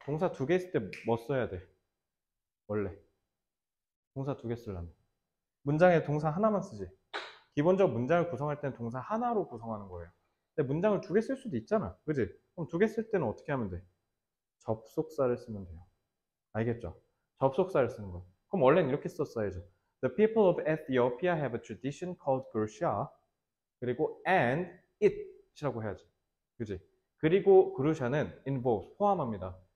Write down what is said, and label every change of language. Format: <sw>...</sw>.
<ko>동사 두개 있을 때뭐 써야 돼? 원래 동사 두개 쓰려면 문장에 동사 하나만 쓰지. 기본적으로 문장을 구성할 때는 동사 하나로 구성하는 거예요. 근데 문장을 두개쓸 수도 있잖아, 그지? 그럼 두개쓸 때는 어떻게 하면 돼? 접속사를 쓰면 돼요. 알겠죠? 접속사를 쓰는 거. 그럼 원래는 이렇게 썼어야죠.</ko> <en>The people of Ethiopia have a tradition called Gursha.</en> <ko>그리고</ko> <en>and it</en> <ko>이라고 해야지. 그지? 그리고 Gursha는</ko> <en>involves,</en> <ko>포함합니다.</ko>